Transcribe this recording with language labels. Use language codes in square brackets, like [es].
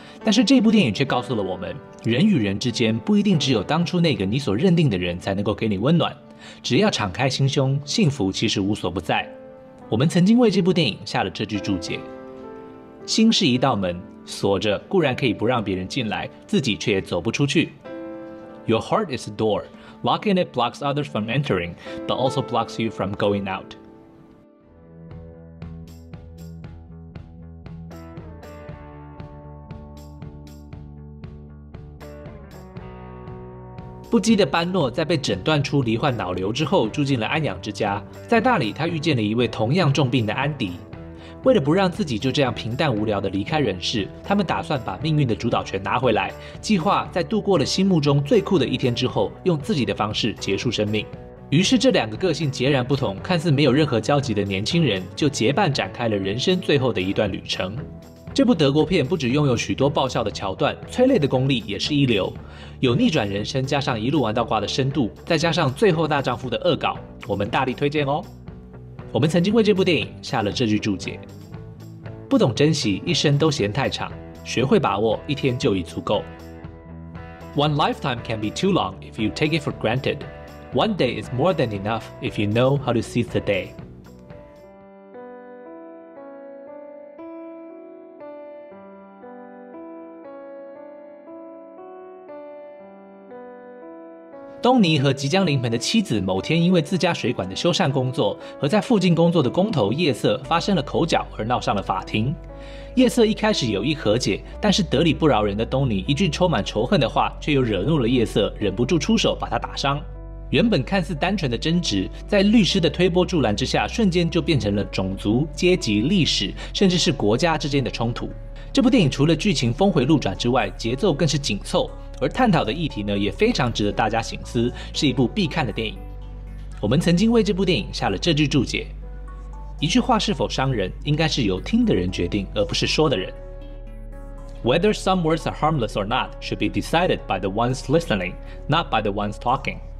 [zh] 但是这部电影却告诉了我们，人与人之间不一定只有当初那个你所认定的人才能够给你温暖，只要敞开心胸，幸福其实无所不在。我们曾经为这部电影下了这句注解：心是一道门，锁着固然可以不让别人进来，自己却也走不出去。 [en] Your heart is a door. Locking it blocks others from entering, but also blocks you from going out. [zh] 不羁的班诺在被诊断出罹患脑瘤之后住进了安养之家，在那里他遇见了一位同样重病的安迪。为了不让自己就这样平淡无聊的离开人世，他们打算把命运的主导权拿回来，计划在度过了心目中最酷的一天之后，用自己的方式结束生命。于是这两个个性截然不同，看似没有任何交集的年轻人，就结伴展开了人生最后的一段旅程。这部德国片不只拥有许多爆笑的桥段，催泪的功力也是一流，有逆转人生加上一路玩到挂的深度，再加上最后大丈夫的恶搞，我们大力推荐哦。我们曾经为这部电影下了这句注解：不懂珍惜，一生都嫌太长，学会把握，一天就已足够。 [en] One lifetime can be too long if you take it for granted. One day is more than enough if you know how to seize the day. [zh] 东尼和即将临盆的妻子某天因为自家水管的修缮工作和在附近工作的工头叶瑟发生了口角而闹上了法庭。叶瑟一开始有意和解，但是得理不饶人的东尼一句充满仇恨的话却又惹怒了叶瑟，忍不住出手把他打伤。原本看似单纯的争执，在律师的推波助澜之下，瞬间就变成了种族、阶级、历史甚至是国家之间的冲突。这部电影除了剧情峰回路转之外，节奏更是紧凑，而探讨的议题呢，也非常值得大家省思，是一部必看的电影。我们曾经为这部电影下了这句注解：一句话是否伤人，应该是由听的人决定，而不是说的人。 [en] Whether some words are harmless or not should be decided by the ones listening, not by the ones talking.